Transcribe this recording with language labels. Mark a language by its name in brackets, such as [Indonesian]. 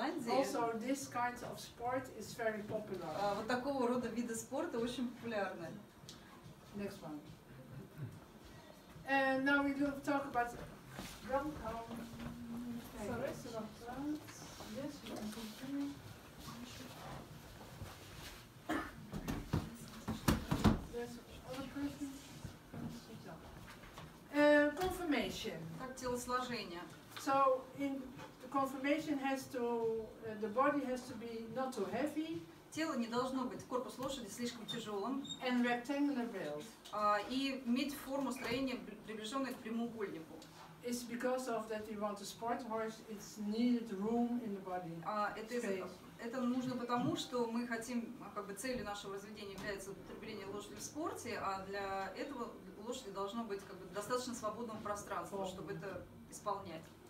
[English] Also, this kind of sport is very popular. [Russian] Вот такого рода виды спорта очень популярны. [English] Next one. And now we do talk about rom-com. Okay. Sorry, yes, confirmation. [Russian] Как телосложение. [English] So in the confirmation has to the body has to be not too heavy. [Russian] Тело не должно быть, корпус лошади слишком тяжелым. [English] And rectangular build. [Russian] И иметь форму строения приближенной к прямоугольнику. [English] It's because of that you want a sport horse. It's needed room in the body. [Russian] Это нужно потому, что мы хотим, как бы целью нашего разведения является употребление лошади в спорте, а для этого лошади должно быть как бы достаточно свободного пространства, чтобы это исполнять.